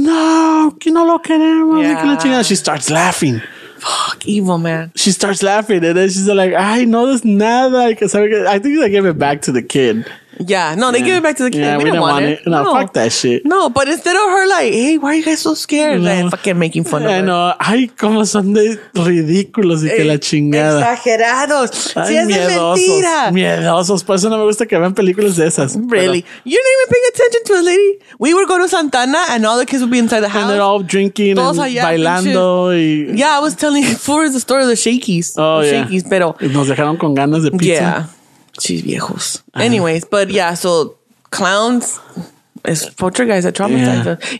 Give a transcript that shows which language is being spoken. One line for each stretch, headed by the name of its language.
English: Yeah. No. She starts laughing. Fuck, evil man. She starts laughing. And then she's like, I know this
Spanish: nada.
English: I think they gave it back to the kid. Yeah, no, they give it back to the kid. Yeah, we didn't want it. No, fuck that shit. No, but instead of her like, hey, why are you guys so scared? No. Like, fucking making fun of her. I know.
Spanish: Ay, como son de ridículos y que la chingada. Exagerados. Ay, sí, es miedosos, de mentira. Miedosos. Por eso no me gusta que vean películas de esas.
English: Really?
Spanish: Pero,
English: you're not even paying attention to a lady? We would go to Santana and all the kids would be inside the house. And they're all drinking
Spanish: todos
English: and
Spanish: bailando.
English: Yeah, I was telling you, four is the story of the Shakeys. Oh, the yeah.
Spanish: Shakeys, pero. Nos dejaron con ganas de pizza.
English: Yeah. She's viejos. Anyways, but yeah, so clowns is for guys that traumatized us.